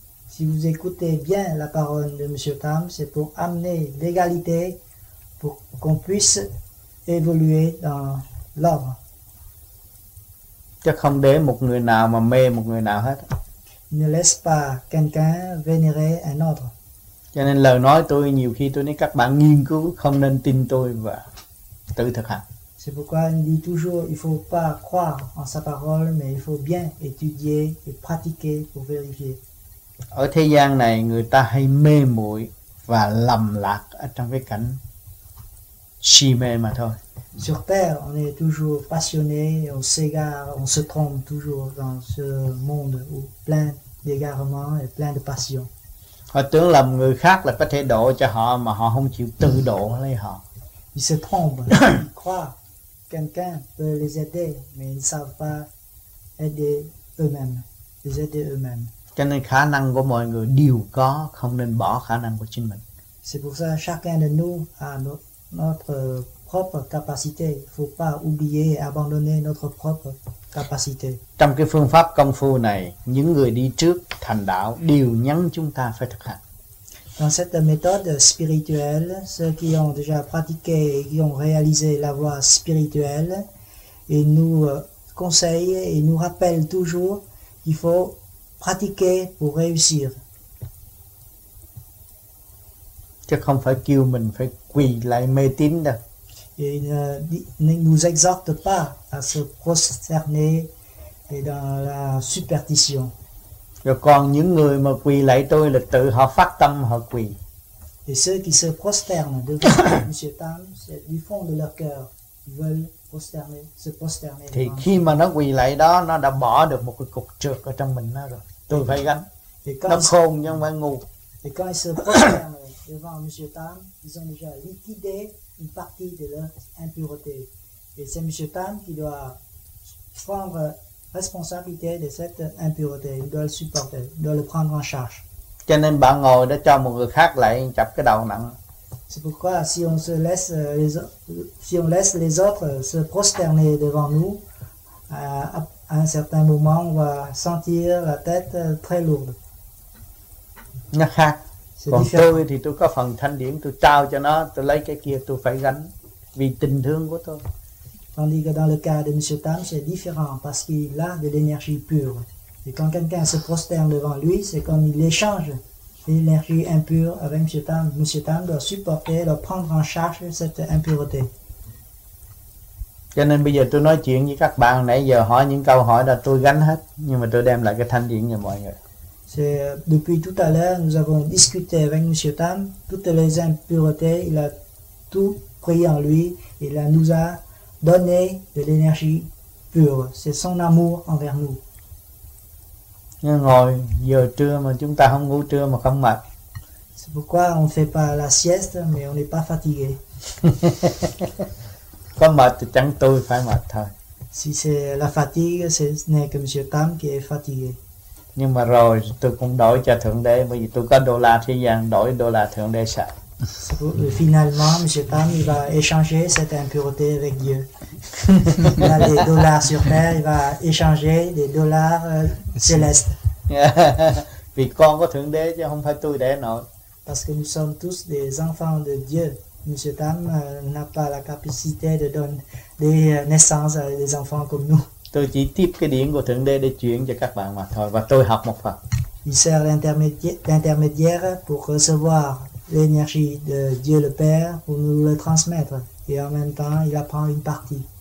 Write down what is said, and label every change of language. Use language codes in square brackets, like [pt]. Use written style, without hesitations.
[fr] Si vous écoutez bien la parole de Monsieur Tam, c'est pour amener l'égalité pour qu'on puisse évoluer dans l'ordre. [vi] Chứ không để một người nào mà mê một người nào hết. [fr] Ne laisse pas quelqu'un vénérer un autre. [vi] Cho nên lời nói tôi nhiều khi tôi nói các bạn nghiên cứu không nên tin tôi và tự thực hành. [fr] C'est pourquoi il dit toujours il faut pas croire en sa parole mais il faut bien étudier et pratiquer pour vérifier. [vi] Ở thế gian này người ta hay mê muội và lầm lạc ở trong cái cảnh si mê mà thôi. [fr] Sur terre, on est toujours passionné, on s'égare, on se trompe toujours dans ce monde où plein d'égarements et plein de passions. [vi] Họ tưởng lầm người khác là có thể độ cho họ mà họ không chịu tự độ lấy họ. [fr] Ils se trompent, ils croient quelqu'un peut les aider, mais ils ne savent pas aider eux-mêmes, les aider eux-mêmes. [vi] Cho nên khả năng của mọi người đều có, không nên bỏ khả năng của chính mình. [fr] C'est pour ça que chacun de nous a notre propre capacité, faut pas oublier et abandonner notre propre capacité. [vi] Trong cái phương pháp công phu này, những người đi trước thành đạo đều nhắn chúng ta phải thực hành. [fr] Dans cette méthode spirituelle, ceux qui ont déjà pratiqué et qui ont réalisé la voie spirituelle, et nous conseillent et nous rappellent toujours qu'il faut pratiquer pour réussir. [vi] chứ không phải kêu mình phải quỳ lại mê tín đâu. [fr] Et il ne nous exhorte pas à se prosterner et dans la superstition. [vi] Rồi còn những người mà quỳ lại tôi là tự họ phát tâm họ quỳ. [fr] Et ceux qui se prosternent devant M. Tam, c'est du fond de leur cœur, ils veulent prosterner, se prosterner. [vi] Thì khi mà nó quỳ lại đó, nó đã bỏ được một cái cục trược ở trong mình nó rồi. Tôi phải gánh. Nó khôn nhưng mà ngu. [fr] Et quand ils se prosternent devant M. Tam, ils ont déjà liquidé une partie de leur impureté. Et c'est M. Tam qui doit prendre responsabilité de cette impureté. Il doit le supporter, il doit le prendre en charge. [vi] Cho nên bạn ngồi đó cho một người khác lại chập cái đầu nặng. [fr] C'est pourquoi si on se laisse les si on laisse les autres se prosterner devant nous, à un certain moment on va sentir la tête très lourde. [vi] Nó khác. Còn tôi thì tôi có phần thanh điển, tôi trao cho nó, tôi lấy cái kia tôi phải gánh vì tình thương của tôi. [fr] Tandis que dans le cas de M. Tam, c'est différent parce qu'il a de l'énergie pure. Et quand quelqu'un se prosterne devant lui, c'est comme il échange l'énergie impure avec M. Tam. M. Tam doit supporter, doit prendre en charge cette impureté. [vi] Cho nên bây giờ tôi nói chuyện với các bạn, nãy giờ hỏi những câu hỏi là tôi gánh hết, nhưng mà tôi đem lại cái thanh điển cho mọi người. [fr] C'est, depuis tout à l'heure, nous avons discuté avec M. Tam, toutes les impuretés, il a tout pris en lui, il nous a donné de l'énergie pure, c'est son amour envers nous. [vi] Ngồi giờ trưa mà chúng ta không ngủ trưa mà không mệt. [fr] C'est pourquoi on fait pas la sieste mais on n'est pas fatigué. [vi] Có mệt thì chẳng tôi phải mệt thôi. [fr] Si c'est la fatigue, ce n'est que M. Tam qui est fatigué. [vi] Nhưng mà rồi tôi cũng đổi cho Thượng Đế, bởi vì tôi có đô la thế gian, đổi đô la Thượng Đế sợ. [fr] Finalement, M. Tam il va échanger cette impureté avec Dieu. Il a des dollars sur terre, il va échanger des dollars célestes. [vi] Vì con có Thượng Đế chứ không phải tôi đẻ nổi. [fr] Parce que nous sommes tous des enfants de Dieu. M. Tam n'a pas la capacité de donner des naissances à des enfants comme nous. [vi] Tôi chỉ tiếp cái điển của Thượng Đế để chuyển cho các bạn mà thôi, và tôi học một phần. [fr] Il sert d'intermédiaire pour recevoir l'énergie de Dieu le Père pour nous le transmettre. Et en même temps, il apprend une partie.